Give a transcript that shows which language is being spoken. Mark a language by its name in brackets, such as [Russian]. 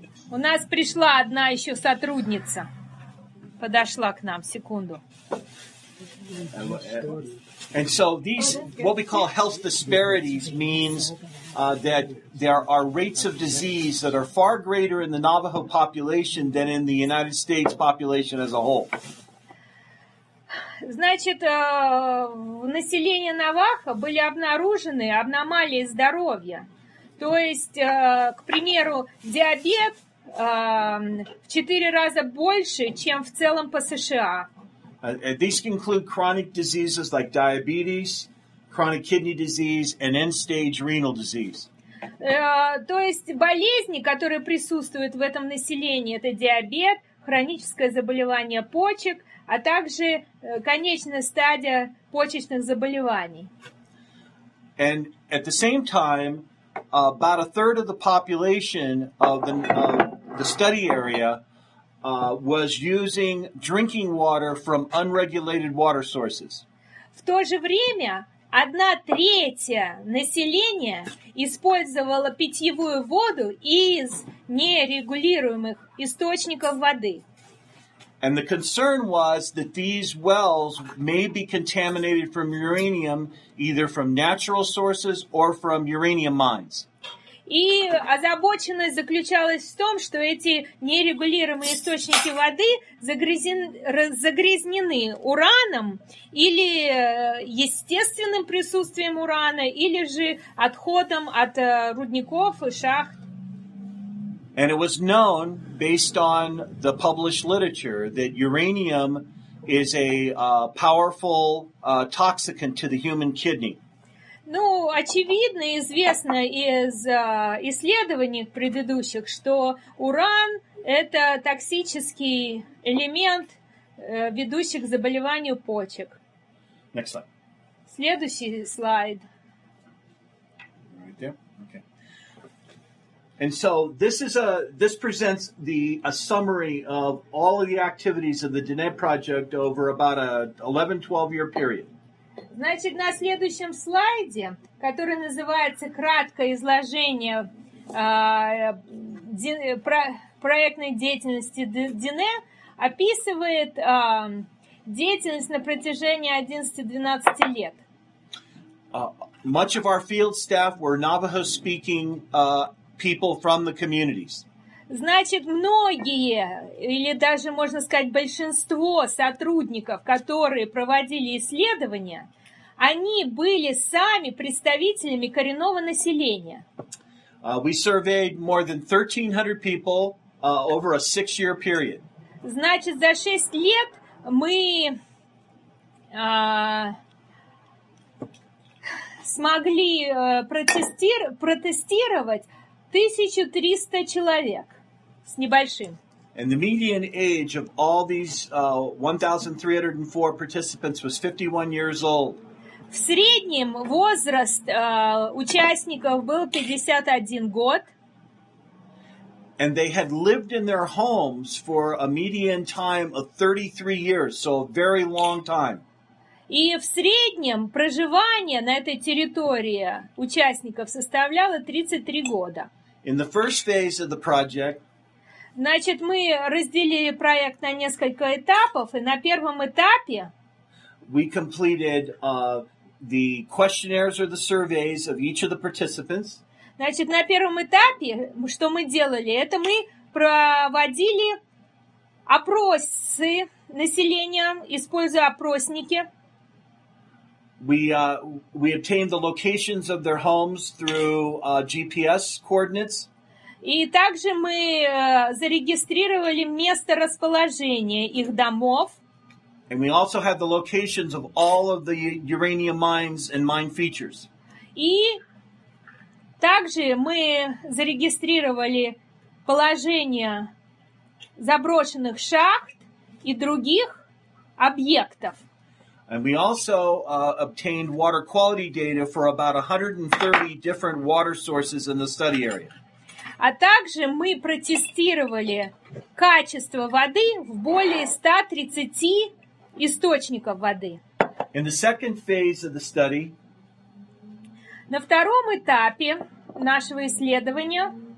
[Russian] У нас пришла одна еще сотрудница, подошла к нам, секунду. [English] And so these, what we call health disparities, means that there are rates of disease that are far greater in the Navajo population than in the United States population as a whole. [Russian] Значит, в населении Наваха были обнаружены аномалии здоровья. То есть, к примеру, диабет в 4 раза больше, чем в целом по США. [English] These include chronic diseases like diabetes, chronic kidney disease, and end-stage renal disease. [Russian] То есть болезни, которые присутствуют в этом населении, это диабет, хроническое заболевание почек, а также конечная стадия почечных заболеваний. [English] And at the same time, about a third of the population of the study area was using drinking water from unregulated water sources. [Russian] В то же время Одна третья населения использовала питьевую воду из нерегулируемых источников воды. [English] And the concern was that these wells may be contaminated from uranium, either from natural sources or from uranium mines. [Russian] И озабоченность заключалась в том, что эти нерегулируемые источники воды загрязнены ураном или естественным присутствием урана, или же отходом от рудников и шахт. [English] And it was known, based on the published literature, that uranium is a powerful toxicant to the human kidney. [Russian] Ну, очевидно, известно из исследований предыдущих, что уран – это токсический элемент, ведущий к заболеванию почек. [English] Next slide. [Russian] Следующий слайд. [English] Right there. Okay. And so this is this presents a summary of all of the activities of the Dened project over about a 11-12-year period. [Russian] Значит, на следующем слайде, который называется «Краткое изложение проектной деятельности Дене», описывает деятельность на протяжении 11-12 лет. [English] Much of our field staff were Navajo-speaking people from the communities. [Russian] Значит, многие, или даже, можно сказать, большинство сотрудников, которые проводили исследования, они были сами представителями коренного населения. [English] We surveyed more than 1300 people over a 6-year period. [Russian] Значит, за 6 лет мы смогли протестировать 1300 человек с небольшим. [English] And the median age of all these 1304 participants was 51 years old. [Russian] В среднем возраст участников был 51 год. [English] And they had lived in their homes for a median time of 33 years, so a very long time. [Russian] И в среднем проживание на этой территории участников составляло 33 года. [English] In the first phase of the project, [Russian] значит, мы разделили проект на несколько этапов, и на первом этапе [English] we completed the questionnaires or the surveys of each of the participants. [Russian] Значит, на первом этапе, что мы делали, это мы проводили опросы населения, используя опросники. [English] We obtained the locations of their homes through GPS coordinates. [Russian] И также мы зарегистрировали место расположения их домов. [English] And we also had the locations of all of the uranium mines and mine features. [Russian] И также мы зарегистрировали положение заброшенных шахт и других объектов. [English] And we also obtained water quality data for about 130 different water sources in the study area. [Russian] А также мы протестировали качество воды в более 130 источников воды. [English] In the second phase of the study, [Russian] на втором этапе нашего исследования